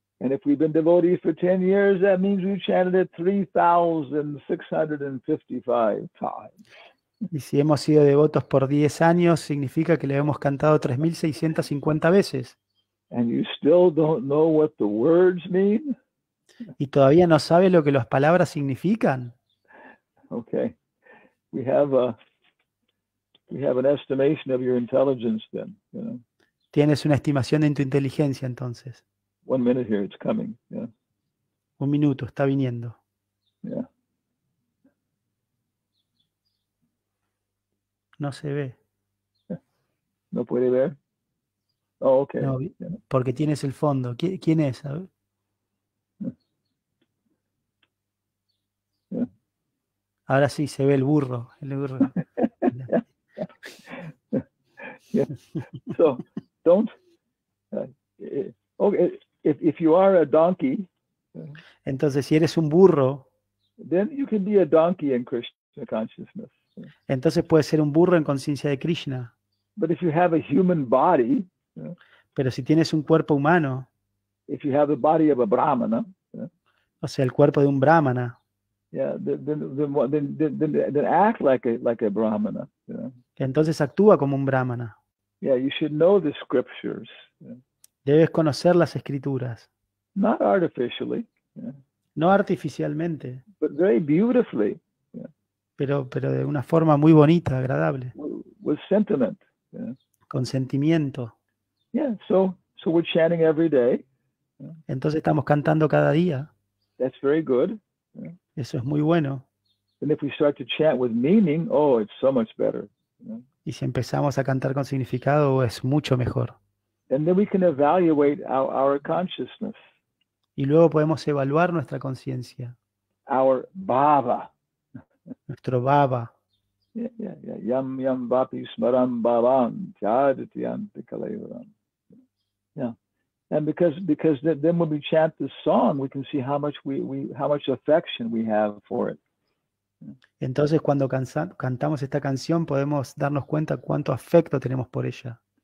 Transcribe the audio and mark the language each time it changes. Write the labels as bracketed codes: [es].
[en] And if we've been devotees for 10 years, that means we've chanted it 3,655 times. [es] Y si hemos sido devotos por 10 años, significa que le hemos cantado 3,650 veces. [en] And you still don't know what the words mean? [es] ¿Y todavía no sabes lo que las palabras significan? [en] Okay. We have an estimation of your intelligence then, you know. [es] Tienes una estimación en tu inteligencia entonces. [en] One minute here, it's coming. Yeah. [es] Un minuto, está viniendo. [en] Yeah. [es] No se ve. No puede ver. [en] Oh, okay. [es] No, porque tienes el fondo. ¿Quién es? A ver. [en] Yeah. [es] Ahora sí, se ve el burro. El burro. [en] Yeah. So, don't. Okay. If you are a donkey, [es] entonces si eres un burro, [en] then you can be a donkey in Krishna consciousness. [es] Entonces puedes ser un burro en conciencia de Krishna. [en] But if you have a human body, [es] pero si tienes un cuerpo humano, [en] if you have the body of a brahmana, [es] o sea el cuerpo de un brahmana, [en] yeah, then act like a brahmana. [es] Entonces actúa como un brahmana. [en] Yeah, you should know the scriptures. [es] Debes conocer las escrituras. [en] Not artificially, [es] no artificialmente. [en] But very beautifully, [es] pero de una forma muy bonita, agradable. [en] With sentiment, [es] con sentimiento. [en] Yeah, so we're chanting every day, [es] entonces estamos cantando cada día. [en] That's very good, [es] eso es muy bueno. [en] And if we start to chant with meaning, oh, it's so much better, [es] y si empezamos a cantar con significado, es mucho mejor. [en] And then we can evaluate our consciousness. [es] Y luego podemos evaluar nuestra conciencia. [en] Our bhava. [es] Nuestro bhava. [sa] Yeah, yeah, yeah. Yam yam vapi smaram bhavan jadati antikalevaram. Yeah. [en] And because then when we chant this song, we can see how much affection we have for it. [es] Entonces cuando cantamos esta canción podemos darnos cuenta cuánto afecto tenemos por ella.